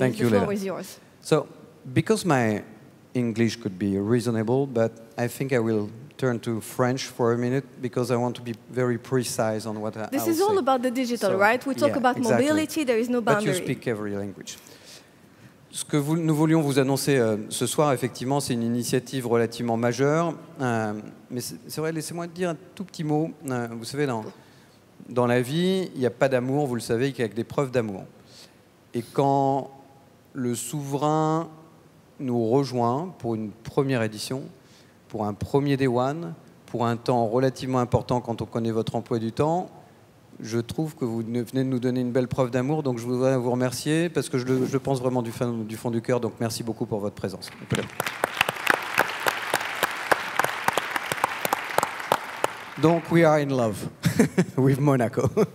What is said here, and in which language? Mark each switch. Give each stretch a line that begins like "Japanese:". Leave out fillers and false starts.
English: thank you, the floor is yours. So, because my English could be reasonable, but I think I will turn to French for a minute because I want to be very precise on what I'll say. This is all about the digital, so, right? We talk about exactly. Mobility, there is no boundary. But you speak every language.
French: Ce que nous voulions vous annoncer ce soir, effectivement, c'est une initiative relativement majeure. Mais c'est vrai, laissez-moi dire un tout petit mot. Vous savez, dans la vie, il n'y a pas d'amour, vous le savez, il n'y a que des preuves d'amour. Et quand le souverain nous rejoint pour une première édition, pour un premier Day One, pour un temps relativement important quand on connaît votre emploi du temps, je trouve que vous venez de nous donner une belle preuve d'amour, donc je voudrais vous remercier, parce que je pense vraiment du fond du cœur, donc merci beaucoup pour votre présence.
English: Donc, we are in love with Monaco.